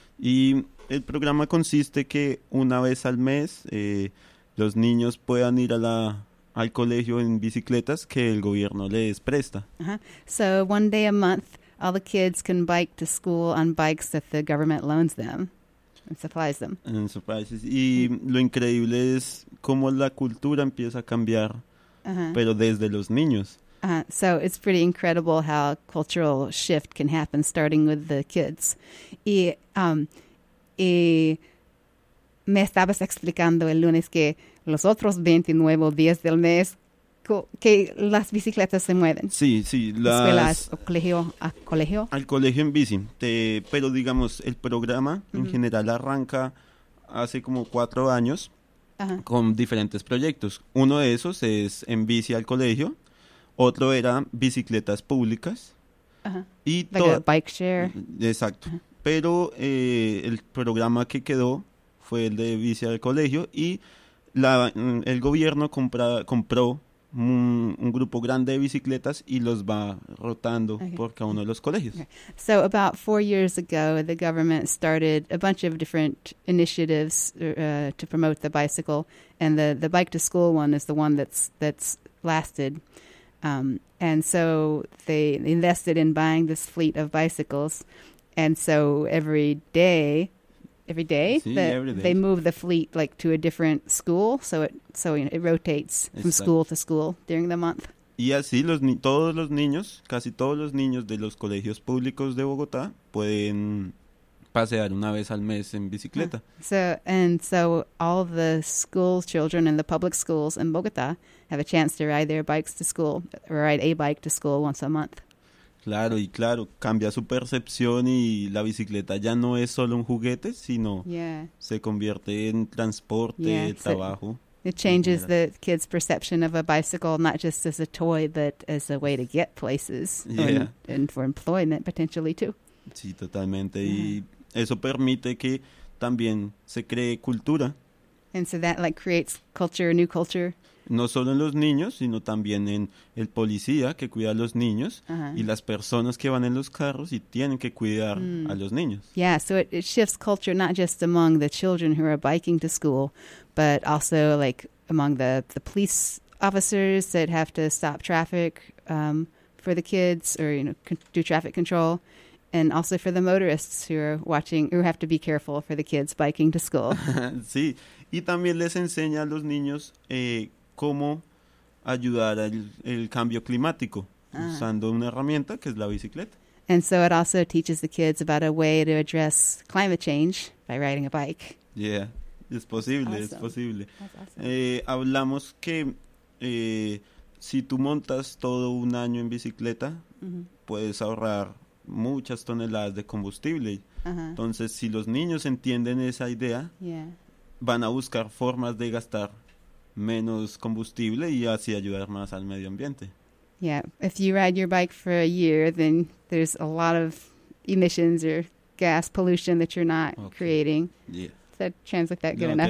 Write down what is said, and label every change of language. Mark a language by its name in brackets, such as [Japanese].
[Spanish] Y el programa consiste que una vez al mes los niños puedan ir al colegio en bicicletas que el gobierno les presta. [English] So one day a month all the kids can bike to school on bikes that the government loans them and supplies them. And supplies. [Spanish] Y lo increíble es cómo la cultura empieza a cambiar, pero desde los niños. [English] So it's pretty incredible how cultural shift can happen starting with the kids. [Spanish] Y me estabas explicando el lunes que los otros 29 días del mes que las bicicletas se mueven. Sí. ¿Al colegio? Al colegio en bici. Pero digamos, el programa en general arranca hace como 4 años con diferentes proyectos. Uno de esos es en bici al colegio. Otro era bicicletas públicas. Y [English] like a bike share. [Spanish] Exacto. Pero el programa que quedó fue el de bici al colegio y el gobierno compró un grupo grande de bicicletas y los va rotando por cada uno de los colegios. [English] Okay. So about 4 years ago, the government started a bunch of different initiatives to promote the bicycle, and the bike to school one is the one that's lasted. And so they invested in buying this fleet of bicycles, and so every day. They move the fleet like to a different school, so it rotates. [Spanish] Exacto. [English] From school to school during the month. [Spanish] Y así casi todos los niños de los colegios públicos de Bogotá pueden pasear una vez al mes en bicicleta. [English] So all the school children in the public schools in Bogotá have a chance to ride their bikes to school, or ride a bike to school once a month. [Spanish] Claro, y claro, cambia su percepción y la bicicleta ya no es solo un juguete, sino se convierte en transporte, trabajo. [English] It changes the kid's perception of a bicycle, not just as a toy, but as a way to get places and for employment potentially too. [Spanish] Sí, totalmente. Mm-hmm. Y eso permite que también se cree cultura. [English] And so that like creates culture, new culture. [Spanish] No solo en los niños, sino también en el policía que cuida a los niños y las personas que van en los carros y tienen que cuidar a los niños. [English] Yeah, so it shifts culture not just among the children who are biking to school, but also like among the police officers that have to stop traffic for the kids or, you know, do traffic control. And also for the motorists who are watching, who have to be careful for the kids biking to school. [Spanish] Sí, y también les enseña a los niños cómo ayudar al cambio climático usando una herramienta que es la bicicleta. [English] And so it also teaches the kids about a way to address climate change by riding a bike. [Spanish] Yeah, es posible, [English] awesome. [Spanish] Es posible. [English] Awesome. [Spanish] Hablamos que si tú montas todo un año en bicicleta, puedes ahorrar muchas toneladas de combustible. Entonces, si los niños entienden esa idea, van a buscar formas de gastar menos combustible y así ayudar más al medio ambiente. [English] Yeah, if you ride your bike for a year, then there's a lot of emissions or gas pollution that you're not creating. Yeah. Does that translate that good enough?